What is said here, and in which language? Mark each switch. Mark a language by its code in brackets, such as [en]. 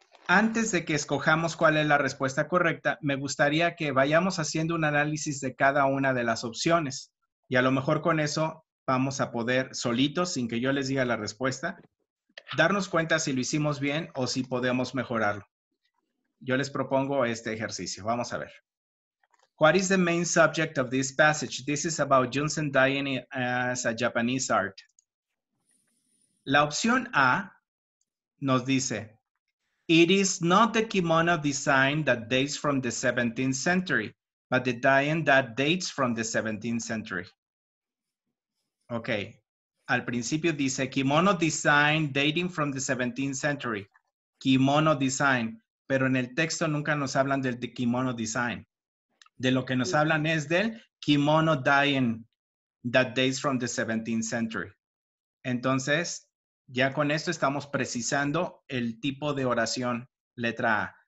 [es] Antes de que escojamos cuál es la respuesta correcta, me gustaría que vayamos haciendo un análisis de cada una de las opciones. Y a lo mejor con eso vamos a poder, solitos, sin que yo les diga la respuesta, darnos cuenta si lo hicimos bien o si podemos mejorarlo. Yo les propongo este ejercicio. Vamos a ver. [en] What is the main subject of this passage? This is about Junsen dying as a Japanese art. [es] La opción A nos dice, [en] it is not the kimono design that dates from the 17th century, but the dying that dates from the 17th century. Ok. [es] Al principio dice, [en] kimono design dating from the 17th century. Kimono design. [es] Pero en el texto nunca nos hablan del de [en] kimono design. [es] De lo que nos hablan es del [en] kimono dying that dates from the 17th century. [es] Entonces, ya con esto estamos precisando el tipo de oración, letra A.